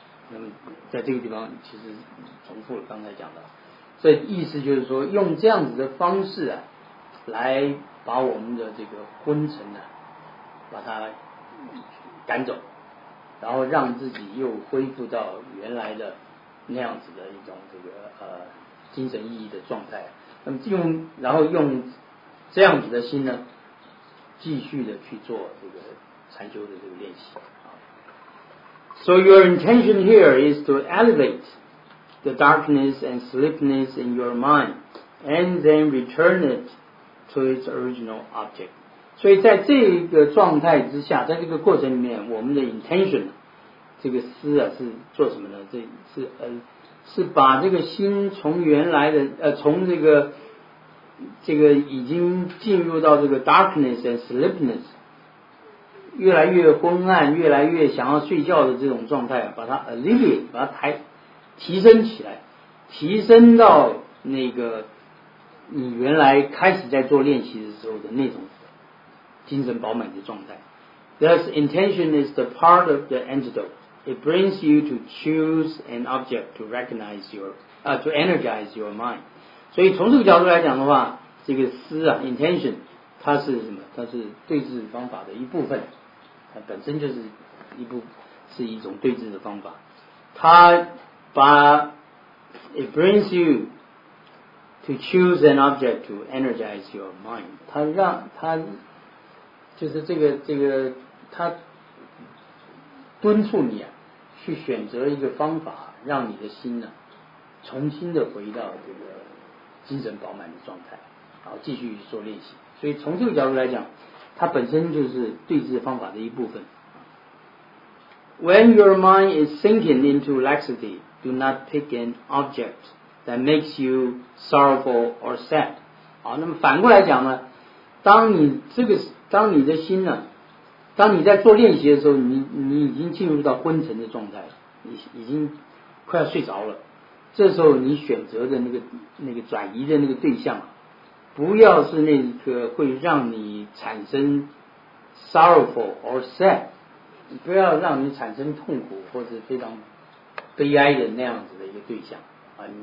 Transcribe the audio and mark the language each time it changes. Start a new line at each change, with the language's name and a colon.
Chinese: 那么在这个地方其实重复了刚才讲的，所以意思就是说用这样子的方式啊，来把我们的这个昏沉啊把它赶走，然后让自己又恢复到原来的那样子的一种这个精神意义的状态。那么用然后用这样子的心呢，继续的去做这个禅修的这个练习。
English: So your intention here is to elevate the darkness and sleepiness in your mind, and then return it to its original object.
Chinese: 所以在这个状态之下，在这个过程里面，我们的 intention 这个思啊是做什么呢？这是是把这个心从原来的从这个已经进入到这个
English: darkness and sleepiness。
Chinese: 越来越昏暗，越来越想要睡觉的这种状态，把它 alleviate， 把它提升起来，提升到那个你原来开始在做练习的时候的那种精神饱满的状态。
English: Thus, intention is the part of the antidote. It brings you to choose an object to recognize your, to energize your mind.
Chinese: 所以从这个角度来讲的话，这个思啊 ，intention， 它是什么？它是对治方法的一部分。它本身就是一种对治的方法，它把
English: it brings you to choose an object to energize your mind，
Chinese: 它让它就是这个它敦促你啊去选择一个方法，让你的心呢、啊、重新的回到这个精神饱满的状态，然后继续做练习。所以从这个角度来讲，它本身就是对治方法的一部分。
English: When your mind is sinking into laxity, do not pick an object that makes you sorrowful or sad.
Chinese: 好，那么反过来讲呢，当你的心呢，当你在做练习的时候，你已经进入到昏沉的状态了，你已经快要睡着了。这时候你选择的那个转移的那个对象，不要是那个会让你产生
English: sorrowful or sad，
Chinese: 不要让你产生痛苦或者非常悲哀的那样子的一个对象啊。